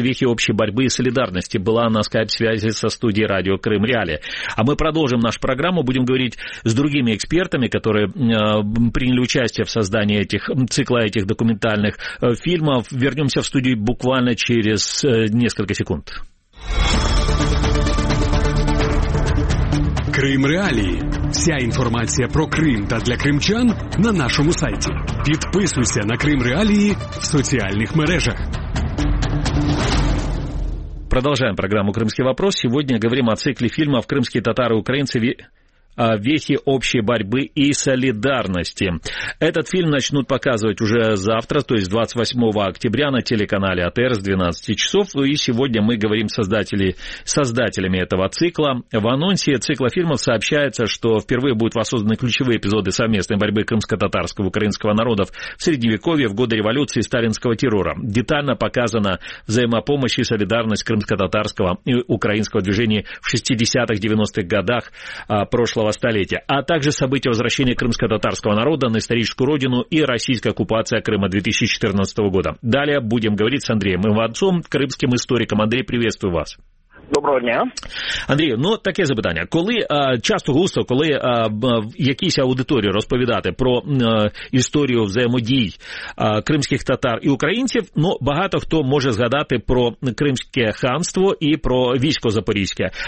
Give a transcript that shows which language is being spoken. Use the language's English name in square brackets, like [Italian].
[Russian] Вехи общей борьбы и солидарности» была на скайп-связи со студией радио «Крым Реалии». А мы продолжим нашу программу, будем говорить с другими экспертами, которые приняли участие в создании этих документальных фильмов. Вернемся в студию буквально через несколько секунд. [Ukrainian] Крым Реалії. Вся інформація про Крим та для кримчан на нашому сайті. Підписуйся на Крим Реалії в соціальних мережах. Продовжуємо програму «Кримський вопрос». Сьогодні говоримо о циклі фільмів «Кримські татари-українці». [Russian] «Вехи общей борьбы и солидарности». Этот фильм начнут показывать уже завтра, то есть 28 октября на телеканале АТР с 12 часов. И сегодня мы говорим с создателями этого цикла. В анонсе цикла фильмов сообщается, что впервые будут воссозданы ключевые эпизоды совместной борьбы крымско-татарского и украинского народов в Средневековье, в годы революции и сталинского террора. Детально показана взаимопомощь и солидарность крымско-татарского и украинского движения в 60-х-90-х годах прошлого столетия, а также события возвращения крымско-татарского народа на историческую родину и российская оккупация Крыма 2014 года. Далее будем говорить с Андреем Иванцом, крымским историком. Андрей, приветствую вас. [Ukrainian] Доброго дня. Андрій, ну таке запитання. Коли часто густо, коли якійсь аудиторії розповідати про історію взаємодій кримських татар і українців, ну багато хто може згадати про Кримське ханство і про військо Запорізьке.